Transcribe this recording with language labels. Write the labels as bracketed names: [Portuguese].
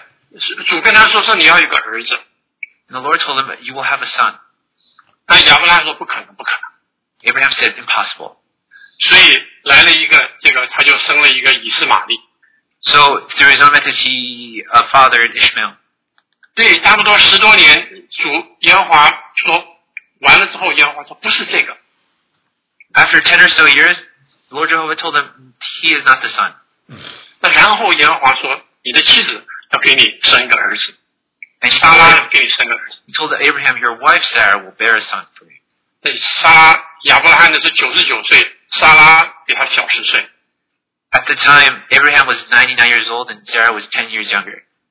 [Chinese] 对，那然后呢，主跟他说说你要有个儿子。 [English] And the Lord told him, you will have a son. [Chinese] 那亚伯拉罕说不可能，不可能。 [English] Abraham said, impossible. [Chinese] 所以来了一个，这个他就生了一个以实玛利。 [English] So through his own method, he fathered Ishmael. [Chinese] 对，差不多十多年，主耶和华说完了之后，耶和华说不是这个。 [English] After 10 or so years, Lord Jehovah told him he is not the son. [Chinese] 那然后耶和华说，你的妻子要给你生一个儿子。 [English] And Sarah told Abraham, your wife Sarah will bear a son for you. [Chinese] 对，亚伯拉罕的是99岁，撒拉比他小10岁。 [English] At the time, Abraham was 99 years old and Sarah was 10 years younger.